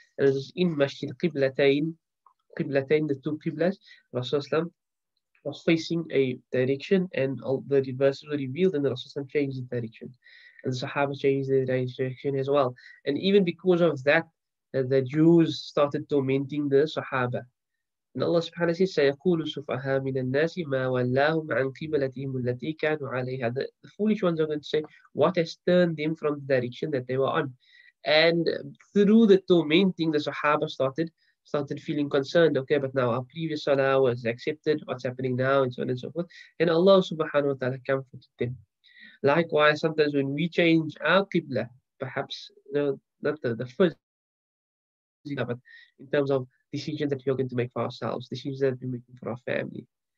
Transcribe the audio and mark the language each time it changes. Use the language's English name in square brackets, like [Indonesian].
[English] And it was in Masjid Qiblatain, the two Qiblas, Rasulullah was facing a direction, and all the verses were revealed, and Rasulullah changed the direction. And the Sahaba changed the direction as well. And even because of that, the Jews started tormenting the Sahaba. [Arabic] And Allah subhanahu wa ta'ala says, سَيَقُولُ سُفَهَا مِنَ النَّاسِ مَا وَلَّاهُمْ عَنْ قِبَلَتِهِمُ الَّتِي كَانُوا عَلَيْهَا. [English] The foolish ones are going to say, what has turned them from the direction that they were on? And through the tormenting, the Sahaba started feeling concerned. Okay, but now our previous salah was accepted. What's happening now? And so on and so forth. And Allah subhanahu wa ta'ala comforted them. Likewise, sometimes when we change our qibla, perhaps not the first, but in terms of decisions that we are going to make for ourselves, decisions that we're making for our family,